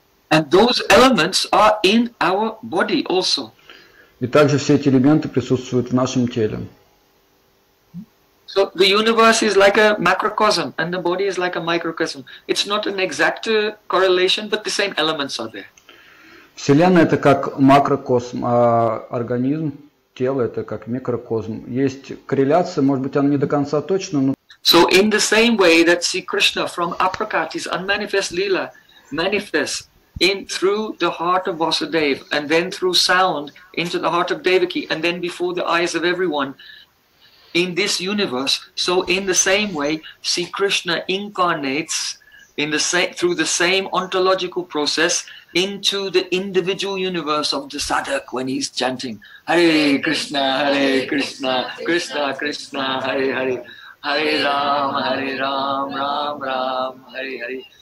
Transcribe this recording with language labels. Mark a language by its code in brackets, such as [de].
[en] And those elements are in our body also. [ru] И также все эти элементы присутствуют в нашем теле. [en] So the universe is like a macrocosm and the body is like a microcosm. It's not an exact correlation, but the same elements are there. [ru] Вселенная — это как макрокосм, а организм, тело — это как микрокосм. Есть корреляция, может быть, она не до конца точна, но... [en] So in the same way that Sri Krishna from Aprakati's unmanifest Leela manifests in through the heart of Vasudev and then through sound into the heart of Devaki and then before the eyes of everyone in this universe, so in the same way Sri Krishna incarnates in the through the same ontological process into the individual universe of the sadhak when he's chanting Hare Krishna, Hare Krishna, Hare Krishna, Krishna Krishna, Hare Hare, Hare Ram, Hare Ram, Ram Ram, Hare Hare.